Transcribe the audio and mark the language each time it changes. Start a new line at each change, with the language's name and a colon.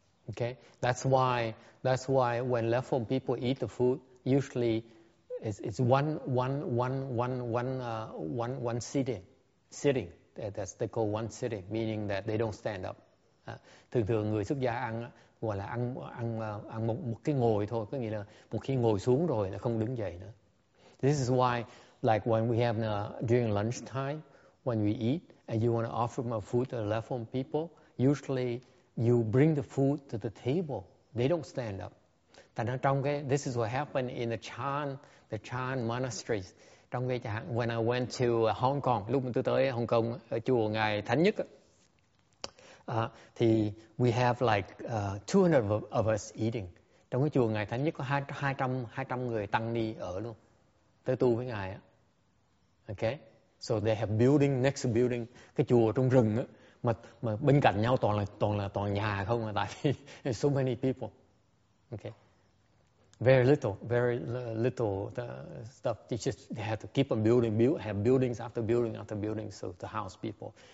English: Okay, that's why when left home people eat the food, usually it's one sitting. That's they call one sitting, meaning that they don't stand up.
Vietnamese: Thường thường người xuất gia ăn gọi là ăn ăn ăn một một cái ngồi thôi, có nghĩa là một khi ngồi xuống rồi là không đứng dậy nữa.
English: This is why, like when we have during lunch time, when we eat and you want to offer more food to the leftover people, usually you bring the food to the table. They don't stand up. This is what happened in the Chan monasteries.
Vietnamese: Trong cái chẳng,
English: when I went to Hong Kong,
Vietnamese: lúc tôi tới Hong Kong ở chùa Ngài Thánh Nhất, thì
English: we have like 200 of us eating.
Vietnamese: Trong cái chùa Ngài Thánh Nhất có 200 người tăng ni ở luôn, tới tu với Ngài. Okay?
English: So they have building, next building,
Vietnamese: cái chùa trong rừng á, mà bên cạnh nhau toàn là nhà không, tại vì
English: so many people. Okay? Very little stuff. They have to keep on building buildings after buildings, so to house people.